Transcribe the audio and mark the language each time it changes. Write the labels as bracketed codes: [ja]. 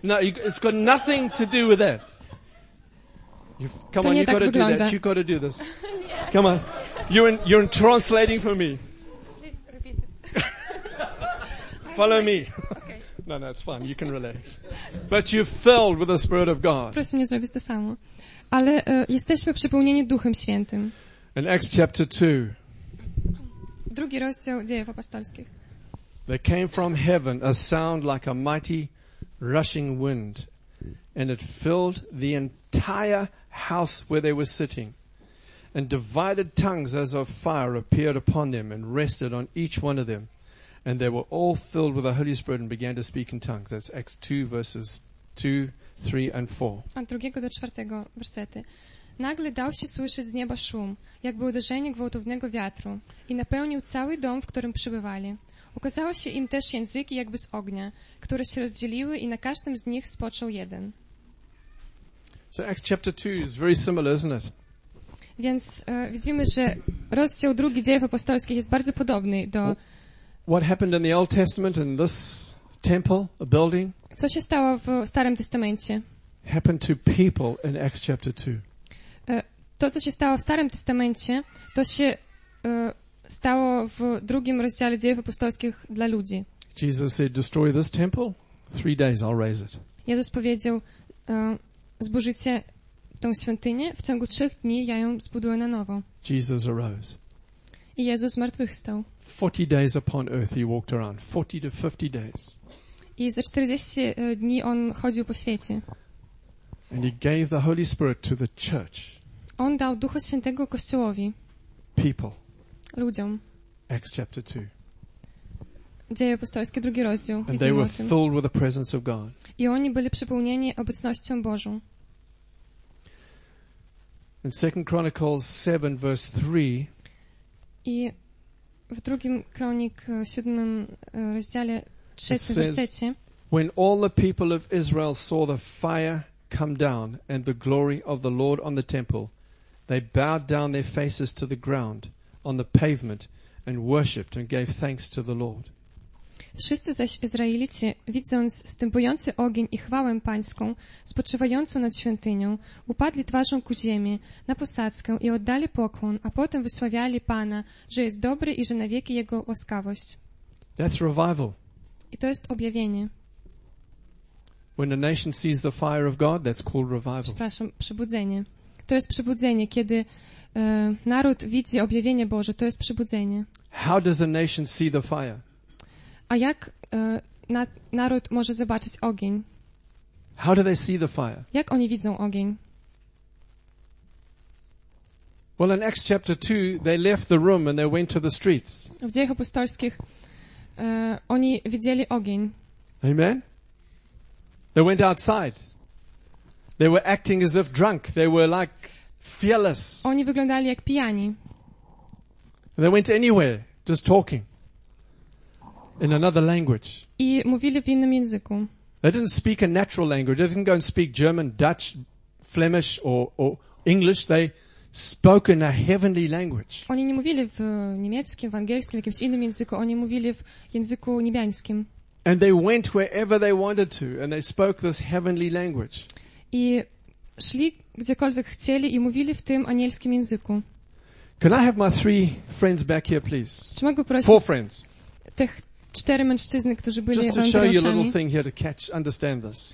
[en] No, it's got nothing to do with that. Come on, you got to do that. You got to do this. Come on. You're in translating for me. Please repeat it. Follow me. Okay. No, it's fine. You can relax. But you're filled with the Spirit of God. [pl] Proszę mnie zrobić to samo. Ale jesteśmy przepełnieni Duchem Świętym. [en] In Acts chapter 2. [pl] Drugi rozdział Dziejów Apostolskich. [en] There came from heaven a sound like a mighty rushing wind, and it filled the entire house where they were sitting. And divided tongues as of fire appeared upon them and rested on each one of them. And they were all filled with the Holy Spirit and began to speak in tongues. That's Acts 2 verses 2 3 and 4. [pl] Od drugiego do czwartego wersety. Nagle dał się słyszeć z nieba szum, jakby uderzenie gwałtownego wiatru, i napełnił cały dom, w którym przebywali. Ukazało się im też języki jakby z ognia, które się rozdzieliły i na każdym z nich spoczął jeden. [en] So Acts chapter 2 is very similar, isn't it? [pl] Więc widzimy, że rozdział drugi Dziejów Apostolskich jest bardzo podobny do [en] What happened in the Old Testament in this temple, a building? [pl] Co się stało w Starym Testamencie? [en] Happened to people in Acts chapter 2. [pl] To, co się stało w Starym Testamencie, to się stało w drugim rozdziale Dziejów Apostolskich dla ludzi. [en] Jesus said, "Destroy this temple, 3 days I'll raise it." [pl] Jezus powiedział, zburzycie tą świątynię, w ciągu 3 dni ja ją zbuduję na nowo. [en] Jesus arose. [pl] I Jezus zmartwychwstał. [en] 40 days upon earth he walked around, 40 to 50 days. [pl] I za 40 dni on chodził po świecie. [en] And he gave the Holy Spirit to the church. [pl] On dał Ducha Świętego Kościołowi. [en] People. [pl] Ludziom. [en] Acts chapter 2. [pl] Dzieje apostolskie, drugi rozdział. [en] And they were filled with the presence of God. [pl] I oni byli przepełnieni obecnością Bożą. [en] In 2 Chronicles 7 verse 3. [pl] I w drugim Kronik 7 rozdziale 3 wersecie. [en] When all the people of Israel saw the fire come down and the glory of the Lord on the temple, they bowed down their faces to the ground on the pavement and worshiped and gave thanks to the Lord. [pl] Wszyscy zaś Izraelici, widząc wstępujący ogień i chwałę Pańską, spoczywającą nad świątynią, upadli twarzą ku ziemi, na posadzkę i oddali pokłon, a potem wysławiali Pana, że jest dobry i że na wieki Jego łaskawość. [en] That's revival. [pl] I to jest objawienie. [en] When a nation sees the fire of God, that's called revival. [pl] Przepraszam, przebudzenie. To jest przebudzenie, kiedy naród widzi objawienie Boże, to jest przebudzenie. [en] How does a nation see the fire? [pl] A jak naród może zobaczyć ogień? [en] How do they see the fire? [pl] Jak oni widzą ogień? [en] Well, in Acts chapter 2, they left the room and they went to the streets. [pl] W Dziejach Apostolskich oni widzieli ogień. [en] Amen. They went outside. They were acting as if drunk. They were like fearless. [pl] Oni wyglądali jak pijani. [en] And they went anywhere, just talking. In another language. [pl] I mówili w innym języku. [en] They didn't speak a natural language. They didn't go and speak German, Dutch, Flemish or English. They spoke in a heavenly language. [pl] Oni nie mówili w niemieckim, w angielskim, w jakimś innym języku. Oni mówili w języku niebiańskim. [en] And they went wherever they wanted to and they spoke this heavenly language. [pl] I szli gdziekolwiek chcieli i mówili w tym anielskim języku. [en] Can I have my 3 friends back here, please? [pl] Czy mogę prosić? [en] 4 friends. [pl] Tych 4 mężczyzn, którzy byli [en] Just to show you a little thing here to catch, understand this.